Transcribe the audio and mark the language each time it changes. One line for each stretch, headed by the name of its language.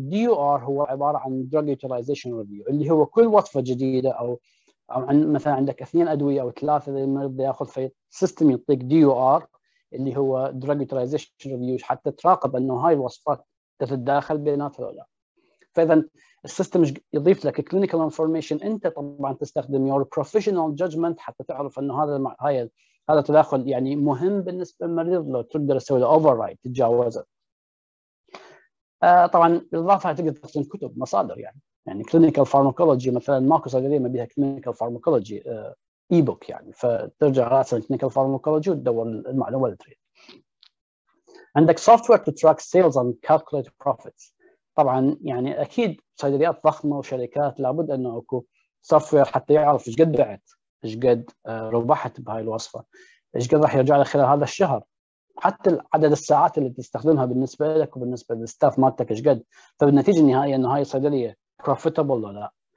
Arabic: DUR هو عبارة عن drug utilization review اللي هو كل وصفة جديدة أو عن مثلا عندك اثنين أدوية أو ثلاثة المريض يأخذ في system يعطيك DUR اللي هو drug utilization review حتى تراقب انه هاي الوصفات تتداخل بيناتها ولا فاذا السيستم يضيف لك clinical information انت طبعا تستخدم
English: your professional judgment
Arabic: حتى تعرف انه هذا التداخل يعني مهم بالنسبه للمريض لو تقدر تسوي له override تتجاوزه طبعا بالاضافه تقدر تستخدم كتب مصادر يعني clinical pharmacology مثلا ماكو صيدليه ما بيها clinical pharmacology إيبوك يعني فترجع رأس التكنيكال فارماكولوجي وتدور المعلومة اللي تريد. عندك
English: software to track sales and calculate profits.
Arabic: طبعا يعني أكيد صيدليات ضخمة وشركات لابد أنه أكو software حتى يعرف إيش قد بعت إيش قد ربحت بهاي الوصفة إيش قد راح يرجع لك خلال هذا الشهر حتى عدد الساعات اللي تستخدمها بالنسبة لك وبالنسبة للستاف مالتك إيش قد فبالنتيجة النهائية أنه هاي الصيدلية profitable ولا لا.